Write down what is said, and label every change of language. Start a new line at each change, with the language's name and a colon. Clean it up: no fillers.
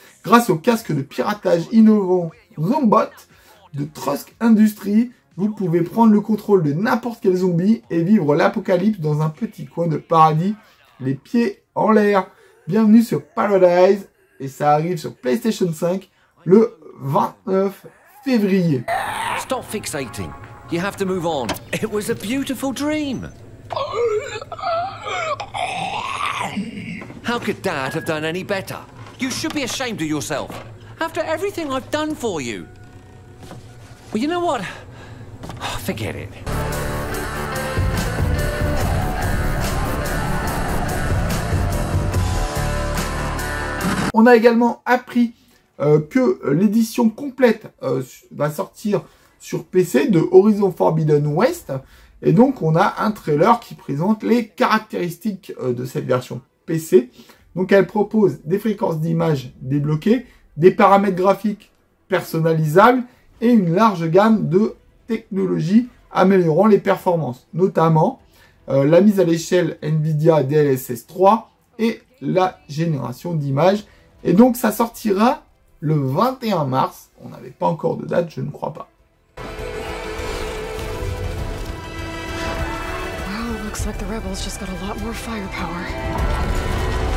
French: Grâce au casque de piratage innovant Zombot de Trusk Industries, vous pouvez prendre le contrôle de n'importe quel zombie et vivre l'apocalypse dans un petit coin de paradis, les pieds en l'air. Bienvenue sur Paradise, et ça arrive sur PlayStation 5 le 29 février.
English: Stop fixating. You have to move on. It was a beautiful dream. How could Dad have done any better? You should be ashamed of yourself. After everything I've done for you. Well, you know what? Forget it.
French: On a également appris que l'édition complète va sortir sur PC de Horizon Forbidden West. Et donc, on a un trailer qui présente les caractéristiques de cette version PC. Donc, elle propose des fréquences d'image débloquées, des paramètres graphiques personnalisables et une large gamme de technologies améliorant les performances, notamment la mise à l'échelle NVIDIA DLSS 3 et la génération d'images. Et donc, ça sortira le 21 mars. On n'avait pas encore de date, je ne crois pas.
English: Wow, looks like the rebels just got a lot more firepower.